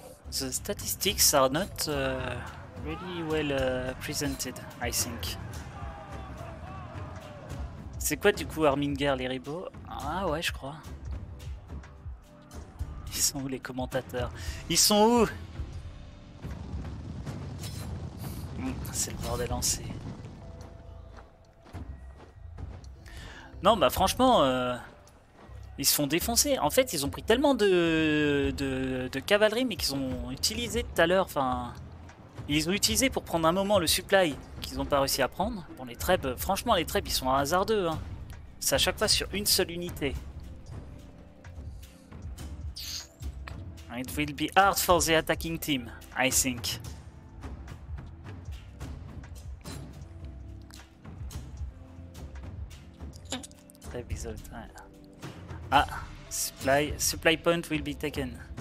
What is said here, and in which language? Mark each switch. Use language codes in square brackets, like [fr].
[en] Statistics are not really well presented, I think. [fr] C'est quoi du coup Arminger, les ribauds? Ah ouais, je crois. Ils sont où les commentateurs? Ils sont où? C'est le bordel lancé. Non, bah franchement, ils se font défoncer. En fait, ils ont pris tellement de cavalerie, mais qu'ils ont utilisé tout à l'heure. Enfin, ils ont utilisé pour prendre un moment le supply qu'ils n'ont pas réussi à prendre. Bon, les trèbes, franchement, les trèbes, ils sont hasardeux, hein. C'est à chaque fois sur une seule unité. [en] It will be hard for the attacking team, I think. Ah, supply point will be taken.